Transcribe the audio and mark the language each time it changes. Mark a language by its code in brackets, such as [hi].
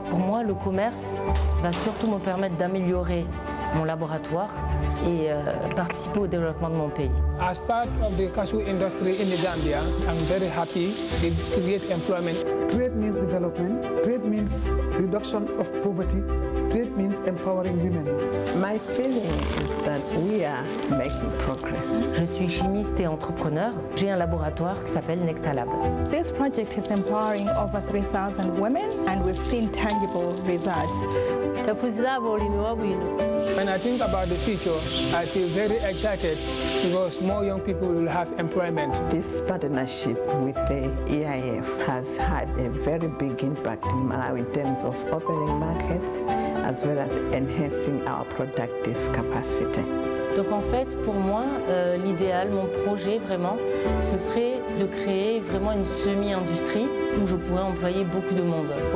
[fr] Pour moi, le commerce va surtout me permettre d'améliorer mon laboratoire et participer au développement de mon pays. [en] As part of the cashew industry in the Gambia, I'm very happy to create employment. Trade means development. Trade means reduction of poverty. Trade means empowering women. My feeling is that we are making progress. [fr] Je suis chimiste et entrepreneur. J'ai un laboratoire qui s'appelle Nectalab. [en] This project is empowering over 3,000 women and we've seen tangible results. When I think about the future, I feel very excited because more young people will have employment. This partnership with the EIF has had a very big impact in Malawi in terms of opening markets as well as enhancing our productive capacity. [fr] Donc en fait, pour moi, l'idéal, mon projet vraiment, ce serait de créer vraiment une semi-industrie où je pourrais employer beaucoup de monde.